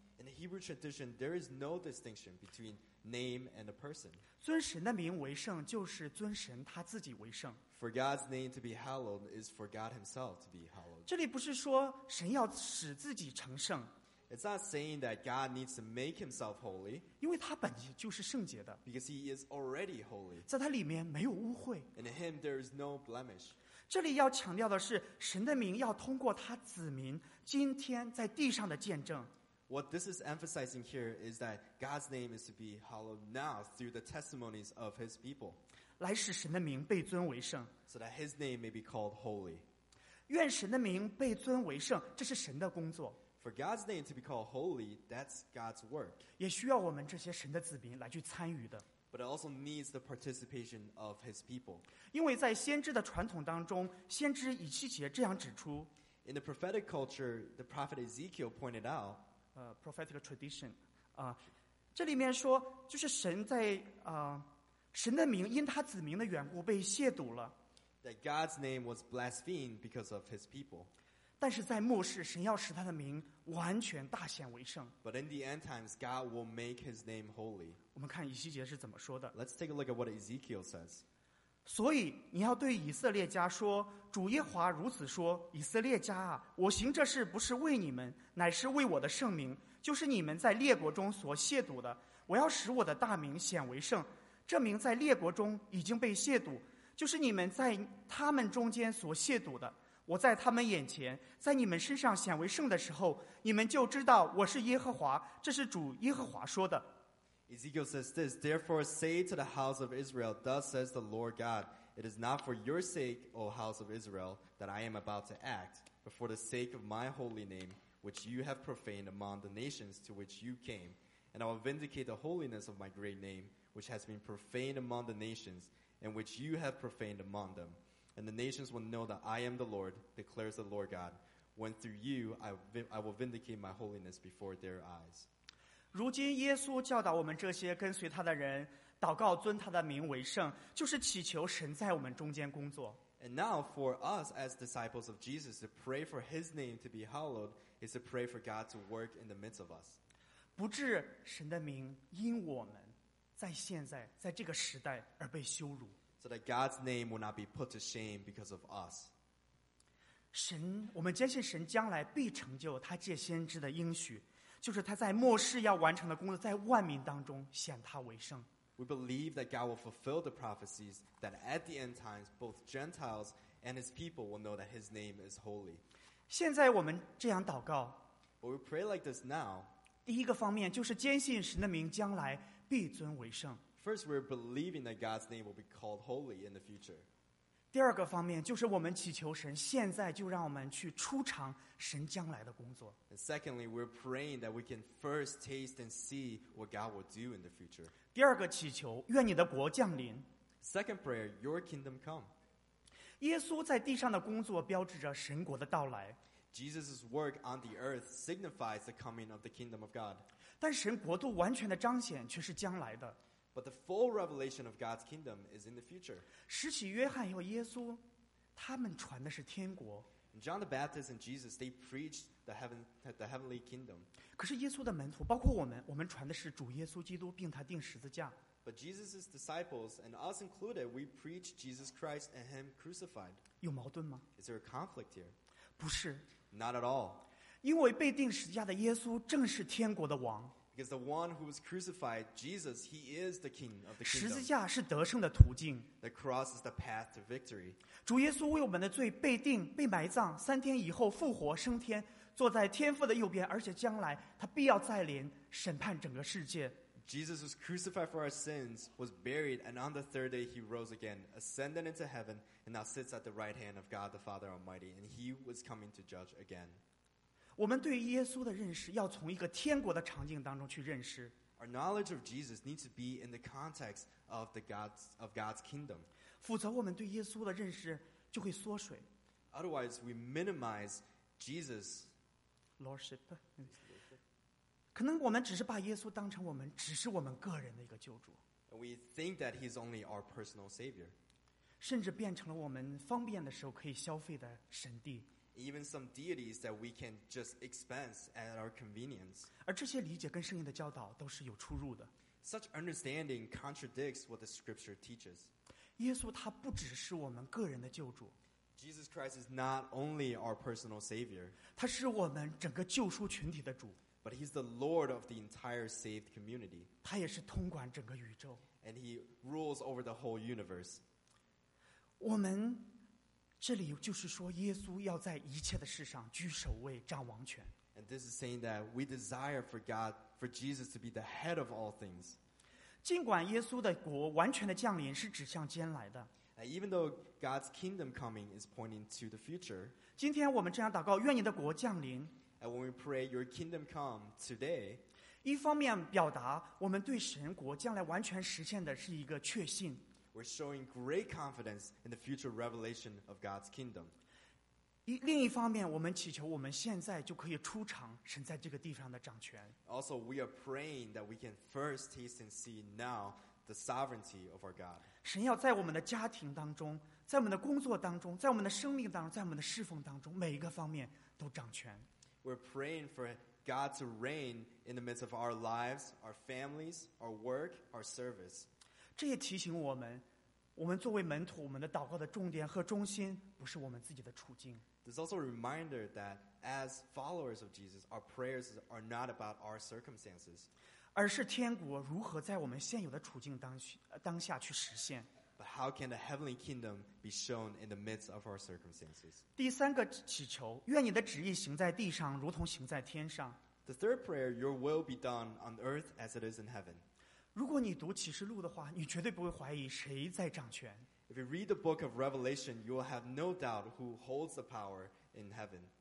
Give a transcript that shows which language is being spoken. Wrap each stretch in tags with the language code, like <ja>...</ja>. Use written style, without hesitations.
<en>In the Hebrew tradition, there is no distinction between name and a person.</en> <zh>尊神的名为圣，就是尊神他自己为圣。</zh> <en>For God's name to be hallowed is for God himself to be hallowed.</en> <zh>这里不是说神要使自己成圣。</zh> <en>It's not saying that God needs to make himself holy.</en> <zh>因为他本就是圣洁的。</zh> <en>Because he is already holy.</en> <zh>在他里面没有污秽。</zh> <en>In him there is no blemish.</en> <zh>这里要强调的是神的名要通过他子民今天在地上的见证。</zh> <en>What this is emphasizing here is that God's name is to be hallowed now through the testimonies of his people.</en> <zh>来使神的名被尊为圣。</zh> <en>So that his name may be called holy.</en> <zh>愿神的名被尊为圣，这是神的工作。</zh> <en>For God's name to be called holy, that's God's work.</en> <zh>也需要我们这些神的子民来去参与的。</zh> <en>But it also needs the participation of His people.</en> <zh>因为在先知的传统当中，先知以西结这样指出。</zh> <en>In the prophetic culture, the prophet Ezekiel pointed out. Prophetic tradition,</en> <zh>这里面说就是神在神的名因他子民的缘故被亵渎了。</zh> <en>That God's name was blasphemed because of His people.</en> <zh>但是在末世，神要使他的名完全大显为圣。</zh> <en>But in the end times, God will make His name holy.</en> <zh>我们看以西结是怎么说的。</zh> <en>Let's take a look at what Ezekiel says.</en> <zh>所以你要对以色列家说，主耶华如此说：以色列家啊，我行这事不是为你们，乃是为我的圣名，就是你们在列国中所亵渎的。我要使我的大名显为圣，这名在列国中已经被亵渎。就是你们在他们中间所亵渎的，我在他们眼前，在你们身上显为圣的时候，你们就知道我是耶和华，这是主耶和华说的。</zh> <en>Ezekiel says this, Therefore say to the house of Israel, Thus says the Lord God, It is not for your sake, O house of Israel, that I am about to act, but for the sake of my holy name, which you have profaned among the nations to which you came. And I will vindicate the holiness of my great name, which has been profaned among the nations,and which you have profaned among them. And the nations will know that I am the Lord, declares the Lord God, when through you I will vindicate my holiness before their eyes.</en> <zh>如今耶稣教导我们这些跟随他的人，祷告尊他的名为圣，就是祈求神在我们中间工作。</zh> <en>And now for us as disciples of Jesus to pray for his name to be hallowed is to pray for God to work in the midst of us.</en> <zh>不至神的名因我们在现在在这个时代而被羞辱。</zh> <en>So that God's name will not be put to shame because of us.</en> <zh>神，我们坚信神将来必成就他借先知的应许，就是他在末世要完成的工作，在万民当中显他为圣。</zh> <en>We believe that God will fulfill the prophecies that at the end times both Gentiles and his people will know that his name is holy.</en> <zh>现在我们这样祷告。</zh> <en>But we pray like this now.</en> <zh>第一个方面就是坚信神的名将来必尊为圣。</zh> <en>First, we're believing that God's name will be called holy in the future.</en> <zh>第二个方面就是我们祈求神现在就让我们去初尝神将来的工作。</zh> <en>And secondly, we're praying that we can first taste and see what God will do in the future.</en> <zh>第二个祈求，愿你的国降临。</zh> <en>Second prayer, your kingdom come.</en> <zh>耶稣在地上的工作标志着神国的到来。</zh> <en>Jesus' work on the earth signifies the coming of the kingdom of God.</en> <zh>但神国度完全的彰显却是将来的。</zh> <en>But the full revelation of God's kingdom is in the future.</en> <zh>使徒约翰和耶稣，他们传的是天国。</zh> <en>John the Baptist and Jesus, they preached the heavenly kingdom.</en> <zh>可是耶稣的门徒，包括我们，我们传的是主耶稣基督，并他钉十字架。</zh> <en>But Jesus' disciples and us included, we preach Jesus Christ and him crucified.</en> <zh>有矛盾吗？</zh> <en>Is there a conflict here?</en> <zh>不是。</zh> <en>Not at all.</en> <zh>因为被钉十字架的耶稣正是天国的王。</zh> <en>Because the one who was crucified, Jesus, he is the king of the kingdom.</en> <zh>十字架是得胜的途径。</zh> <en>The cross is the path to victory.</en> <zh>主耶稣为我们的罪被钉、被埋葬，三天以后复活升天，坐在天父的右边，而且将来他必要再临审判整个世界。</zh> <en>Jesus was crucified for our sins, was buried, and on the third day he rose again, ascended into heaven, and now sits at the right hand of God the Father Almighty, and he was coming to judge again.</en> <zh>我们对耶稣的认识要从一个天国的场景当中去认识。</zh> <en>Our knowledge of Jesus needs to be in the context of God's kingdom.</en> <zh>否则我们对耶稣的认识就会缩水。</zh> <en>Otherwise, we minimize Jesus. Lordship.</en> <zh>可能我们只是把耶稣当成我们只是我们个人的一个救主。</zh> <en>And we think that he's only our personal savior.</en> <zh>甚至变成了我们方便的时候可以消费的神地。</zh> <en>Even some deities that we can just expense at our convenience.</en> <zh>而这些理解跟圣经的教导都是有出入的。</zh> <en>Such understanding contradicts what the scripture teaches.</en> <zh>耶稣他不只是我们个人的救主。</zh> <en>Jesus Christ is not only our personal savior.</en> <zh>他是我们整个救赎群体的主。</zh> <en>But he's the Lord of the entire saved community.</en> <zh>他也是统管整个宇宙。</zh> <en>And he rules over the whole universe.</en> <zh>我们这里就是说耶稣要在一切的事上居首位掌王权。</zh> <en>And this is saying that we desire for God, for Jesus to be the head of all things.</en> <zh>尽管耶稣的国完全的降临是指向将来的。</zh> <en>And even though God's kingdom coming is pointing to the future,</en> <zh>今天我们这样祷告，愿你的国降临。</zh> <en>And when we pray your kingdom come today,</en> <zh>一方面表达我们对神国将来完全实现的是一个确信。</zh> <en>We're showing great confidence in the future revelation of God's kingdom.</en> <zh>另一方面，我们祈求我们现在就可以初尝神在这个地上的掌权。</zh> <en>Also, we are praying that we can first taste and see now the sovereignty of our God.</en> <zh>神要在我们的家庭当中，在我们的工作当中，在我们的生命当中，在我们的侍奉当中，每一个方面都掌权。</zh> <en>We're praying for God to reign in the midst of our lives, our families, our work, our service.</en> <zh>这也提醒我们，我们作为门徒，我们的祷告的重点和中心不是我们自己的处境。</zh> <en>There's also a reminder that as followers of Jesus, our prayers are not about our circumstances.</en> <zh>而是天国如何在我们现有的处境当下去实现。</zh> <en>But how can the heavenly kingdom be shown in the midst of our circumstances?</en> <zh>第三个祈求，愿你的旨意行在地上，如同行在天上。</zh> <en>The third prayer, your will be done on earth as it is in heaven.</en> <zh>如果你读启示录的话，你绝对不会怀疑谁在掌权。</zh> <en>If you read the book of Revelation, you will have no doubt who holds the power in heaven.</en>